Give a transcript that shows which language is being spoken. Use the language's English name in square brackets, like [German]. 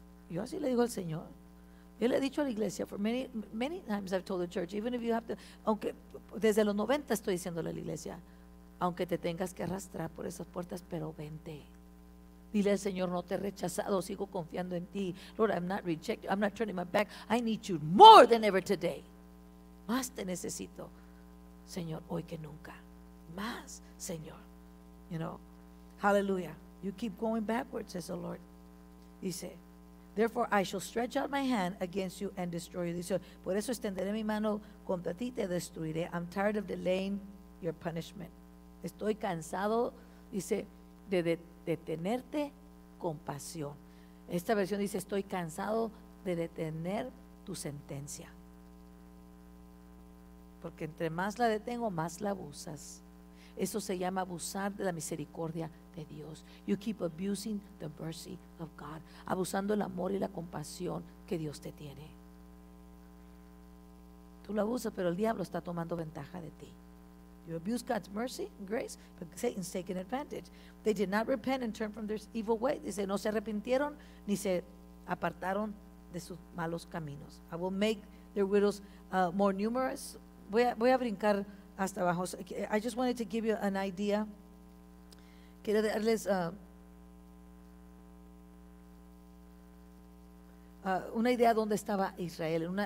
[Spanish] Yo así le digo al Señor. Yo le he dicho a la iglesia, [English] for many times I've told the church, even if you have to, [Spanish] aunque desde los 90 estoy diciéndole a la iglesia, aunque te tengas que arrastrar por esas puertas, pero vente. Dile al Señor, no te he rechazado, sigo confiando en ti. [English] Lord, I'm not rejecting, I'm not turning my back. I need you more than ever today. [Spanish] Más te necesito, Señor, hoy que nunca. Más, Señor. [English] You know, [Spanish] hallelujah. [English] You keep going backwards, says the Lord. [Spanish] Dice, [English] therefore I shall stretch out my hand against you and destroy you. [Spanish] Dice, por eso extenderé mi mano contra ti y te destruiré. [English] I'm tired of delaying your punishment. [Spanish] Estoy cansado, dice, de tenerte compasión. Esta versión dice, estoy cansado de detener tu sentencia. Porque entre más la detengo, más la abusas. Eso se llama abusar de la misericordia de Dios. [English] You keep abusing the mercy of God. [Spanish] Abusando el amor y la compasión que Dios te tiene. Tú lo abusas, pero el diablo está tomando ventaja de ti. [English] You abuse God's mercy and grace, but Satan's taking advantage. They did not repent and turn from their evil way. [Spanish] Dice, no se arrepintieron ni se apartaron de sus malos caminos. [English] I will make their widows more numerous. [Spanish] Voy a brincar hasta abajo. [English] I just wanted to give you an idea. [Spanish] Quiero darles una idea de dónde estaba Israel.